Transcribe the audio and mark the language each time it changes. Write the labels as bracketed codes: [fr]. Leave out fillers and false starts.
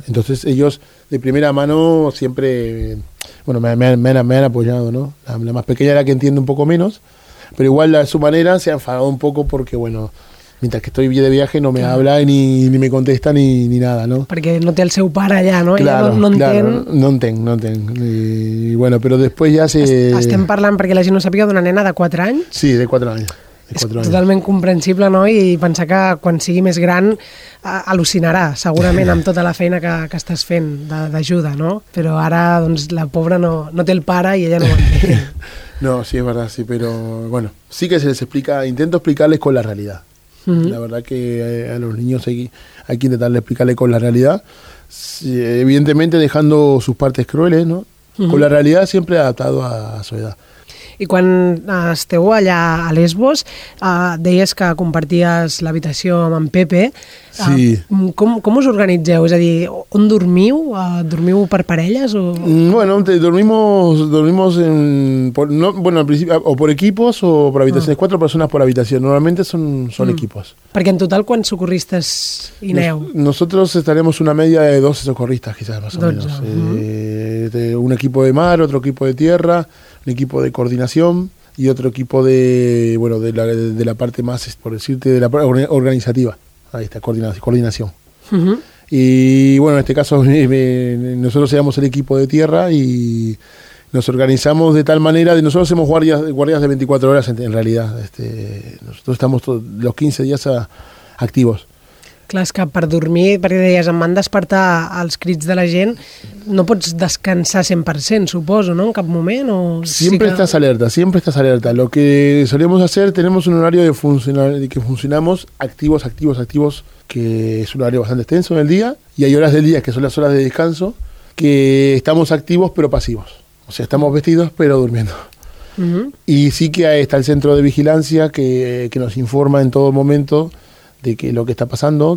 [es] Entonces ellos de primera mano siempre, bueno, me han apoyado, ¿no? La más pequeña era la que entiende un poco menos, pero igual a su manera se ha enfadado un poco porque, bueno, mientras que estoy de viaje no me habla ni me contesta ni nada, ¿no? [ca] Porque no te el seu pare allà, ¿no? Claro, no entenc. [es] Y bueno, pero después ya se... [ca] Estem parlant, perquè la gent no sàpiga, d'una nena de 4 anys? Sí, de 4 anys. És totalment comprensible, no? I pensar que quan sigui més gran al·lucinarà segurament amb tota la feina que estàs fent d'ajuda, no? Però ara, doncs, la pobra no té el pare i ella no ho entén. [es] No, sí, és verdad, sí, però, bueno, sí que se les explica, intento explicarles con la realidad. Uh-huh. La verdad que a los niños hay que intentar explicarles con la realidad, sí, evidentemente dejando sus partes crueles, ¿no? Uh-huh. Con la realidad siempre adaptado a su edad. [ca] I quan esteu allà a Lesbos, deies que comparties l'habitació amb en Pepe. Sí. Com us organitzeu? És a dir, on dormiu? Dormiu per parelles? O... [es] Bueno, dormimos en, por, no, bueno, [ca] al principi, [es] o por equipos o por habitaciones. Ah. 4 personas por habitación. Normalmente son equipos. [ca] Perquè en total, quants socorristes hi aneu? [es] Nosotros estaremos una media de 12 socorristas, quizás, más 12. O menos. Un equipo de mar, otro equipo de tierra, un equipo de coordinación y otro equipo de, bueno, de la parte más, por decirte, de la organizativa. Ahí está, coordinación. Uh-huh. Y bueno, en este caso nosotros seamos el equipo de tierra y nos organizamos de tal manera, de nosotros hacemos guardias de 24 horas en realidad. Nosotros estamos los 15 días activos. [ca] Clar, és que per dormir, perquè deies, em van despertar els crits de la gent, no pots descansar 100%, suposo, no? En cap moment? O... [es] Siempre sí que... estás alerta, siempre estás alerta. Lo que solemos hacer, tenemos un horario de que funcionamos activos, que es un horario bastante extenso en el día, y hay horas del día, que son las horas de descanso, que estamos activos pero pasivos. O sea, estamos vestidos pero durmiendo. Uh-huh. Y sí que está el centro de vigilancia que nos informa en todo momento de que lo que está pasando.